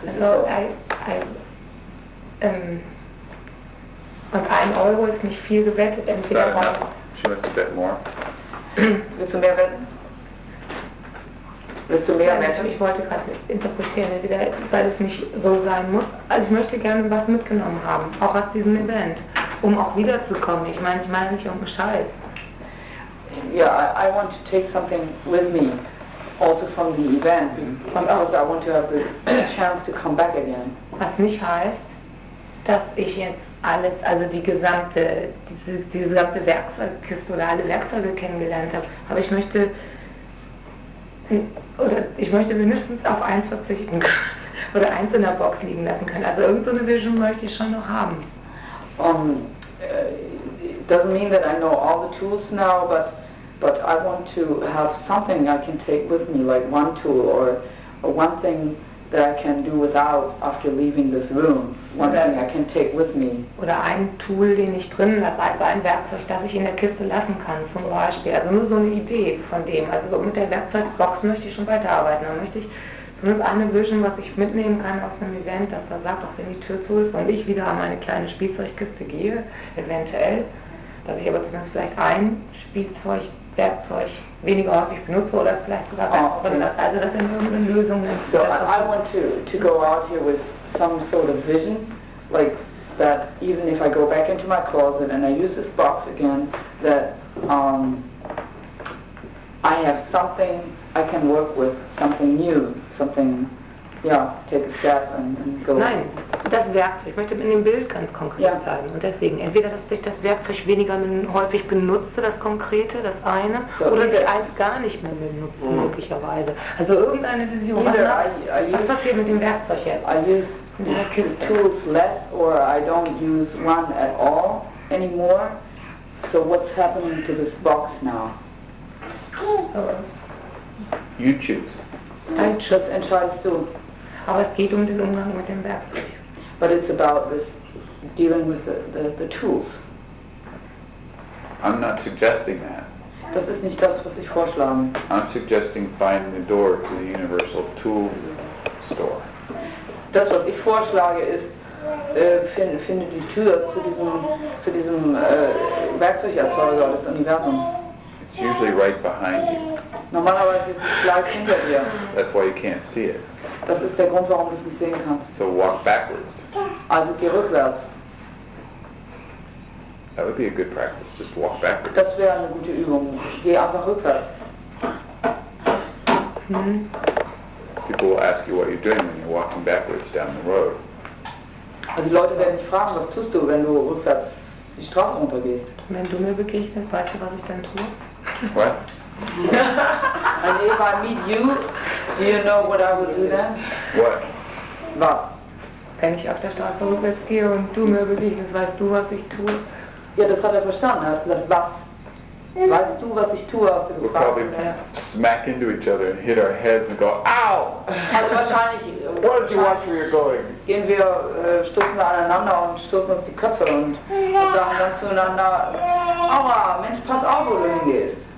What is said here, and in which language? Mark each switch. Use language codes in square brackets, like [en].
[de] So I und ein Euro ist nicht viel gewettet, entweder raus. [en] She must bet more. [de] Willst du mehr wetten? Ich wollte gerade interpretieren, weil es nicht so sein muss. Also ich möchte gerne was mitgenommen haben, auch aus diesem Event, um auch wiederzukommen. Ich meine nicht um Bescheid. [en] Yeah, I want to take something with me, also from the event, because I want to have this chance to come back again. [de] Was nicht heißt, dass ich jetzt alles, also diese gesamte Werkzeugkiste oder alle Werkzeuge kennengelernt habe. Aber ich möchte mindestens auf eins verzichten oder eins in der Box liegen lassen können. Also irgendeine Vision möchte ich schon noch haben. [en] It doesn't mean that I know all the tools now, but I want to have something I can take with me, like one tool or one thing that I can do without after leaving this room. One thing I can take with me. [de] Oder ein Tool, den ich drin lasse, also ein Werkzeug, das ich in der Kiste lassen kann, zum Beispiel. Also nur so eine Idee von dem. Also mit der Werkzeugbox möchte ich schon weiterarbeiten. Dann möchte ich zumindest eine Vision, was ich mitnehmen kann aus einem Event, das da sagt, auch wenn die Tür zu ist und ich wieder an meine kleine Spielzeugkiste gehe, eventuell, dass ich aber zumindest vielleicht ein Spielzeug, Werkzeug weniger häufig benutze oder es vielleicht sogar ganz drin lasse. Also das sind irgendeine Lösungen. [en] So I want to go out here with some sort of vision, like that even if I go back into my closet and I use this box again, that I have something I can work with, something new, something, yeah, take a step and go. [de] Nein, das Werkzeug, ich möchte in dem Bild ganz konkret bleiben. Und deswegen, entweder dass ich das Werkzeug weniger häufig benutze, das Konkrete, das eine, so oder dass ich eins gar nicht mehr benutze, möglicherweise. Also irgendeine Vision. Was passiert mit dem Werkzeug jetzt? [en] Tools less, or I don't use one at all anymore. So what's happening to this box now? You choose. I just [de] entscheidest du. Aber es geht den Umgang mit dem Werkzeug. [en] But it's about this dealing with the tools. I'm not suggesting that. [de] Das ist nicht das, was ich vorschlage. [en] I'm suggesting finding the door to the universal tool store. [de] Das, was ich vorschlage, ist, finde die Tür zu diesem Werkzeugerzeuger des Universums. [en] It's usually right behind you. [de] Normalerweise ist es gleich hinter dir. [en] That's why you can't see it. [de] Das ist der Grund, warum du es nicht sehen kannst. [en] So walk backwards. [de] Also geh rückwärts. [en] That would be a good practice, just walk backwards. [de] Das wäre eine gute Übung. Geh einfach rückwärts. [en] People will ask you what you're doing when you're walking backwards down the road. [de] Also Leute werden dich fragen, was tust du, wenn du rückwärts die Straße runtergehst? Wenn du mir begegnest, weißt du, was ich dann tue? [en] What? And if I meet you, do you know what I would do then? What? [de] Was? Wenn ich auf der Straße rückwärts gehe und du mir begegnest, weißt du, was ich tue? Ja, das hat er verstanden. Er hat gesagt, was? Weißt du, was ich tue, hast du gefragt. [en] We'll probably smack into each other and hit our heads and go, ow! [de] Also wahrscheinlich, [en] what did you watch where you're going? [de] Gehen wir, stoßen wir aneinander und stoßen uns die Köpfe und sagen dann zueinander, aua, Mensch, pass auf, wo du hingehst.